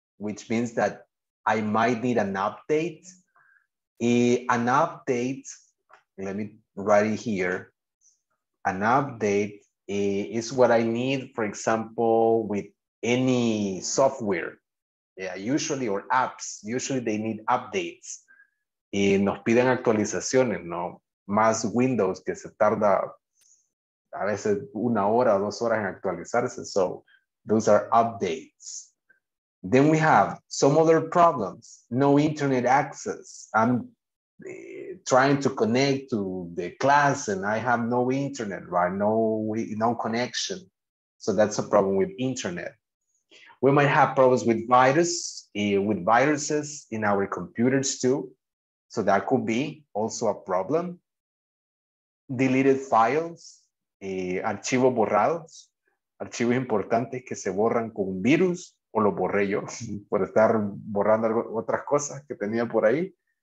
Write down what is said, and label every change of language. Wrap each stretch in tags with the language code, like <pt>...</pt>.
<en>which means that I might need an update. An update, let me write it here. An update is what I need, for example, with any software. Yeah, usually, or apps, usually they need updates.</en> <es>Y nos piden actualizaciones, ¿no? Más Windows, que se tarda a veces una hora, dos horas en actualizarse.</es> <en>So those are updates. Then we have some other problems. No internet access. I'm trying to connect to the class and I have no internet, right? No connection. So that's a problem with internet. We might have problems with viruses in our computers too. So that could be also a problem. Deleted files,</en> <es>archivo borrados, archivos importantes que se borran con un virus, o lo borré yo por estar borrando otras cosas que tenía por ahí.</es>